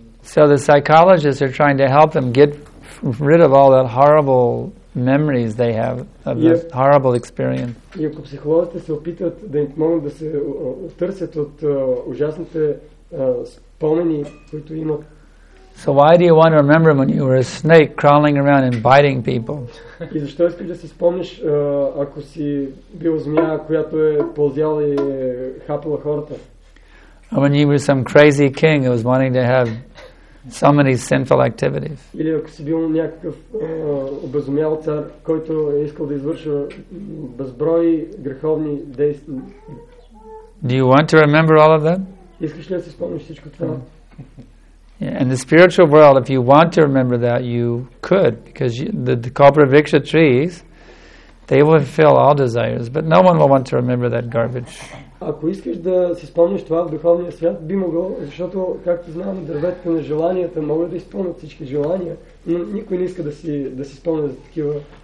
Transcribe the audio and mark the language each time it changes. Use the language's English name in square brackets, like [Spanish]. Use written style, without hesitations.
[English] So the psychologists are trying to help them get rid of all that horrible memories they have of that horrible experience. [Bulgarian] И ако психолозите се опитват да им помогнат да се оттърсят от ужасните спомени, които имат. [English] So why do you want to remember when you were a snake crawling around and biting people? [Bulgarian] И защо искаш да си спомниш ако си бил змия, която е ползяла и хапала хората? [English] Or when you were some crazy king who was wanting to have so many sinful activities? [Bulgarian] Или ако си бил някакъв обезумял цар, който е искал да извършва безброй греховни действия? [English] Do you want to remember all of that? [Bulgarian] Искаш ли да си спомниш всичко това? [English] Yeah, in the spiritual world, if you want to remember that, you could, because the Kalpavriksha trees, they will fill all desires, but no one will want to remember that garbage. [Bulgarian] Ако искаш да си спомниш това в духовния свят, би могъл, защото, както знам, дърветата на желанията могат да изпълнят всички желания, но никой не иска да си спомня за такива.